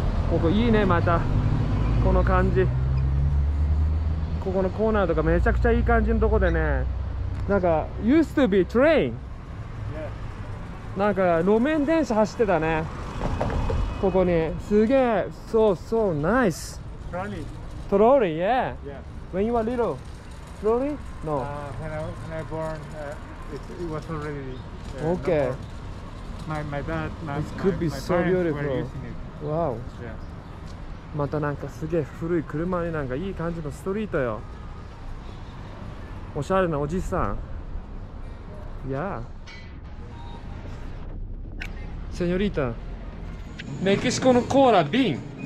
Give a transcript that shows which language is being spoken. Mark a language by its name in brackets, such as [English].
[Japanese] ここいいね、またこの感じ。ここのコーナーとかめちゃくちゃいい感じのとこでね、なんか [English] used to be train、 [Japanese] なんか路面電車走ってたね、ここに。 [English] すげえ、so so nice。 Trolley yeah. Yeah. When you were little, trolley? No. When I born, it was already. Okay. My dad. This could be so beautiful. Wow. Yeah. [Japanese] またなんかすげえ古い車になんかいい感じのストリートよ。おしゃれなおじさん。いや。セニョリータ。メキシコのコーラ瓶。